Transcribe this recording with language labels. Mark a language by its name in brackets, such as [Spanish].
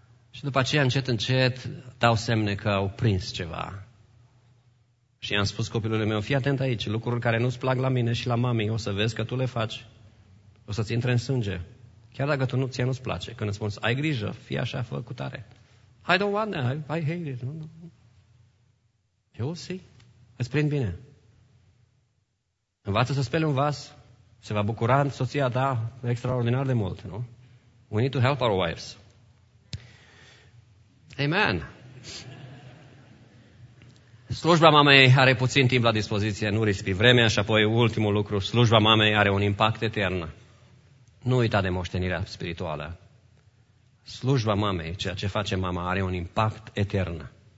[Romanian] Și după aceea, încet, încet, dau semne că au prins ceva. Și i-am spus copilului meu, fii atent aici, lucruri care nu-ți plac la mine și la mami, o să vezi că tu le faci. O să-ți intre în sânge. Chiar dacă tu nu, ție nu-ți place. Când îți spun, ai grijă, fii așa, fă cu tare. [English] I don't want that, I hate it. No. You'll see. [Romanian] Îți prind bine. Învață să speli un vas. Se va bucura soția ta extraordinar de mult, nu? [English] We need to help our wives. [Romanian] Amen. Slujba mamei are puțin timp la dispoziție, nu risipi vremea și apoi ultimul lucru, slujba mamei are un impact etern. Nu uita de moștenirea spirituală. Slujba mamei, ceea ce face mama, are un impact etern.